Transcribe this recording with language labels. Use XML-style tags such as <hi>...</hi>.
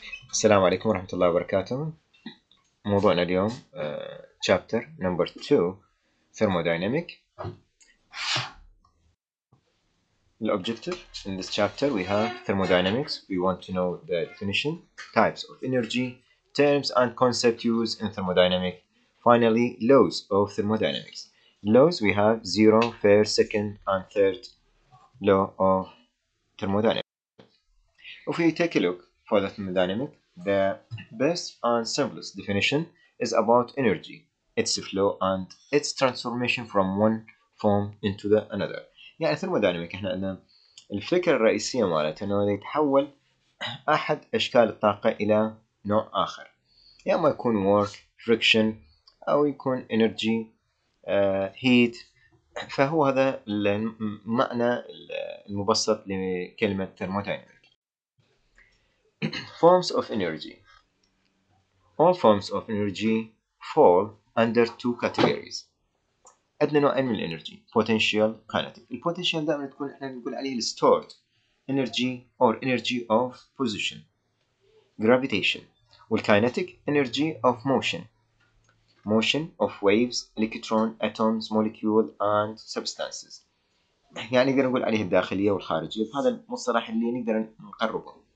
<ar>السلام عليكم ورحمة الله وبركاته. موضوعنا اليوم</ar> <en>chapter number 2 thermodynamic. The objective in this chapter we have thermodynamics. We want to know the definition, types of energy, terms and concept used in thermodynamics. Finally, laws of thermodynamics. Laws, we have zero, first, second and third law of thermodynamics. If we take a look for the thermodynamic, the best and simplest definition is about energy, its flow and its transformation from one form into the another.</en> <ar>يعني الثيرموداينامك احنا عندنا الفكرة الرئيسية مالتها انه يتحول احد اشكال الطاقة الى نوع اخر. يا اما يكون work, friction او يكون</ar> <en>energy, heat.</en> <ar>فهو هذا المعنى المبسط لكلمة thermodynamic.</ar> <en>Forms of energy. All forms of energy fall under two categories.</en> <ar>عندنا نوعين من الانرجي,</ar> <en>potential, kinetic.</en> <ar>البوتنشال دائما تكون احنا نقول عليه</ar> <en>stored energy or energy of position, gravitation. والكينيتيك, energy of motion, motion of waves, electron, atoms, molecule and substances.</en> <ar>يعني نقدر نقول عليه الداخليه والخارجيه. هذا المصطلح اللي نقدر نقربه.</ar>